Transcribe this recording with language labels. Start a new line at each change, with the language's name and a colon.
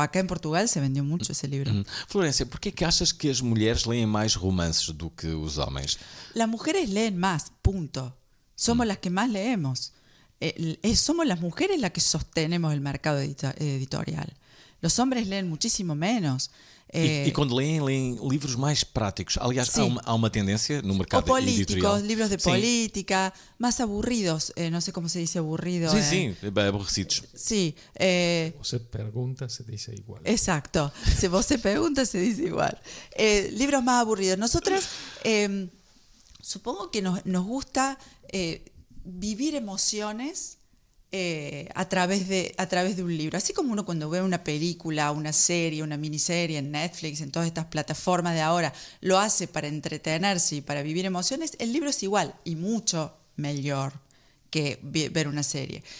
Spanish: Acá en Portugal se vendió mucho ese libro. Florencia, ¿por qué que
Portuguese: achas
Spanish: que las mujeres leen más romances
Portuguese: do que
Spanish: los hombres? Las mujeres leen más, punto. Somos las que más leemos. Somos las mujeres las que sostenemos el mercado editorial. Los hombres leen muchísimo menos.
Portuguese: E quando leem livros mais práticos. Aliás, há uma tendência no mercado editorial. Ou políticos, editorial. Livros de política, mais
Spanish: aburridos.
Portuguese: Não sei como se diz
Spanish: aburrido.
Portuguese: Sim, aborrecidos. Sim. Você pergunta, se diz igual. Exato. Se você pergunta, se diz igual. Livros mais
Spanish: aburridos. Nosotros, supongo que nos gusta vivir emociones a través de un libro. Así como uno cuando ve una película, una serie, una miniserie en Netflix, en todas estas plataformas de ahora, lo hace para entretenerse y para vivir emociones, el libro es igual y mucho mejor que ver una serie.